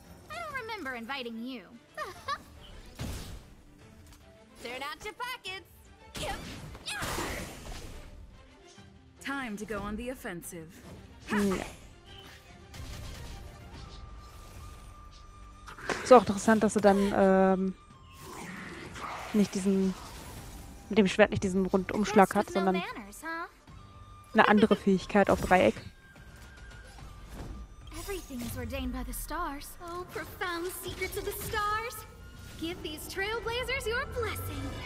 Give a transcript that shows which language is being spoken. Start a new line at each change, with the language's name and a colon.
English: I don't remember inviting you. Turn out your pockets. Time to go on the offensive.
German: Ist auch interessant, dass du dann nicht diesen mit dem Schwert nicht diesen Rundumschlag hat, sondern eine andere Fähigkeit auf Dreieck.
English: Everything is ordained by the stars. Oh, profound secrets of the stars. Give these trailblazers your blessing.